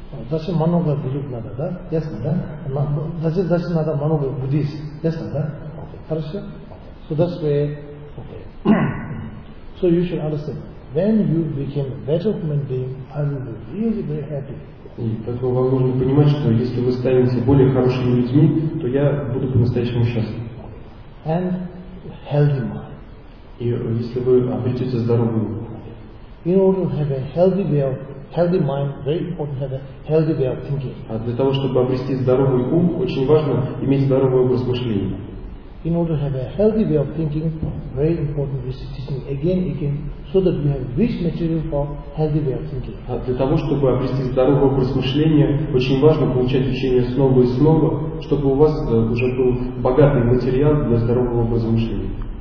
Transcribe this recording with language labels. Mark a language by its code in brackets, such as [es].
[ru] Зачем много Гилуп надо, да? Ясно, да? Зачем надо много буддист? Ясно, да? Хорошо? [en] So that's where, okay. So you should understand, when you became a better human being, I will be really very happy. [ru] И поэтому вам нужно понимать, что если вы станете более хорошими людьми, то я буду по-настоящему счастлив. [en] And healthy mind. [ru] И если вы обретете здоровый ум. [en] In order to have a healthy way of healthy mind, very important to have a healthy way of thinking. [ru] А для того, чтобы обрести здоровый ум, очень важно иметь здоровый образ мышления. [en] In order to have a healthy way of thinking, very important is teaching again and again, so that we have rich material for healthy way of thinking. [ru] А для того, чтобы обрести здоровый образ мышления, очень важно получать учение снова и снова, чтобы у вас уже был богатый материал для здорового образа мышления.